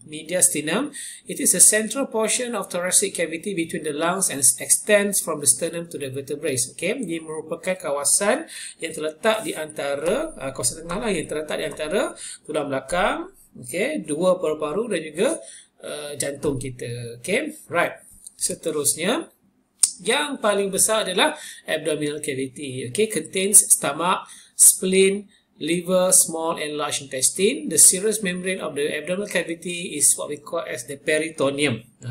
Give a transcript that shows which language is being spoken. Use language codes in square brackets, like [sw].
[en] Mediastinum, it is a central portion of thoracic cavity between the lungs and extends from the sternum to the vertebrae. Okay. [ms] Dia merupakan kawasan yang terletak di antara, kawasan tengah lah, yang terletak di antara tulang belakang, okay, dua paru-paru dan juga jantung kita. [en] Okay. Right. [ms] Seterusnya, yang paling besar adalah abdominal cavity. [en] Okay. Contains stomach, spleen, liver, small and large intestine. The serous membrane of the abdominal cavity is what we call as the peritoneum.